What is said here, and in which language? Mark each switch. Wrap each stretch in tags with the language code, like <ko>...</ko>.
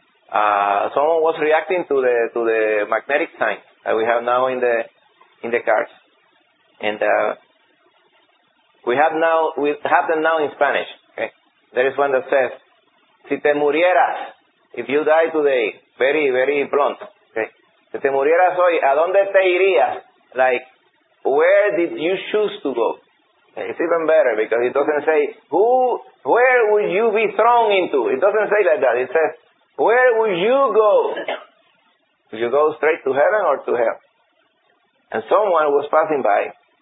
<en>Someone was reacting to the magnetic sign that we have now in the cars, and we have them now in Spanish. Okay, there is one that says,</en> <es>"Si te murieras,</es> <en>if you die today," very very blunt.</en> <es>Okay, "Si te murieras hoy, ¿a dónde te irías?"</es> <en>Like, where did you choose to go? It's even better because it doesn't say where would you be thrown into. It doesn't say like that. It says, where would you go? Would you go straight to heaven or to hell? And someone was passing by.</en>